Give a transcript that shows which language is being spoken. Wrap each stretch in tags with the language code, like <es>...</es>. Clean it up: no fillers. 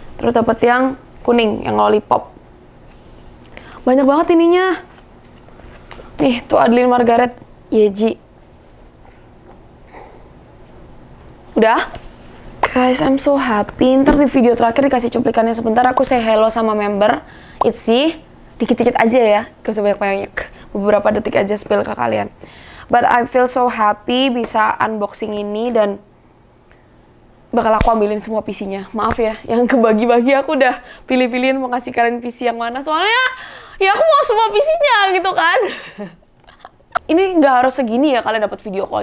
<id>Terus dapat yang kuning, yang lollipop. Banyak banget ininya. Nih, tuh Adeline Margaret Yeji. Udah?</id> <en>Guys, I'm so happy.</en> <id>Ntar di video terakhir dikasih cuplikannya sebentar. Aku say hello sama member Itzy. Dikit-dikit aja ya, gak usah banyak-banyak. Beberapa detik aja spill ke kalian.</id> <en>But I feel so happy</en> <id>bisa unboxing ini dan bakal aku ambilin semua PC-nya. Maaf ya, yang kebagi-bagi aku udah pilih-pilihin mau ngasih kalian PC yang mana. Soalnya ya aku mau semua PC-nya gitu kan. Ini gak harus segini ya kalian dapat video call.</id>